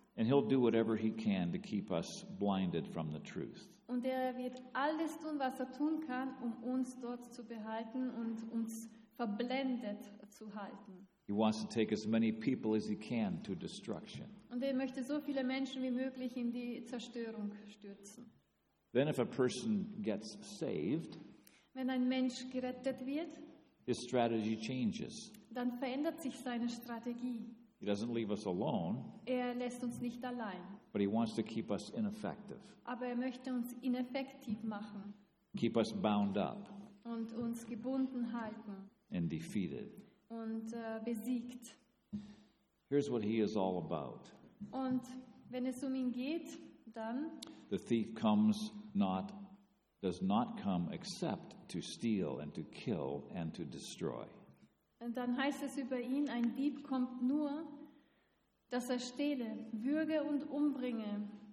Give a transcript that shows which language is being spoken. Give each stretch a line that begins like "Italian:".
English: And he'll do whatever he can to keep us blinded from the truth.
German: Und er wird alles tun, was er tun kann, um uns dort zu behalten und uns verblendet zu halten.
English: He wants to take as many people as he can to destruction.
German: Und er möchte so viele Menschen wie möglich in die Zerstörung stürzen.
English: Then if a person gets saved,
German: wenn ein Mensch gerettet wird,
English: his strategy changes.
German: Dann verändert sich seine Strategie.
English: He doesn't leave us alone.
German: Er lässt uns nicht allein.
English: But he wants to keep us ineffective.
German: Aber er möchte uns ineffektiv machen.
English: Keep us bound up.
German: Und uns gebunden halten.
English: And defeated.
German: Und besiegt.
English: Here's what he is all about.
German: Und wenn es um ihn geht, dann
English: the thief comes not, does not come except to steal and to kill and to destroy.
German: Und dann heißt es über ihn, ein Dieb kommt nur, dass er stehle, würge und umbringe.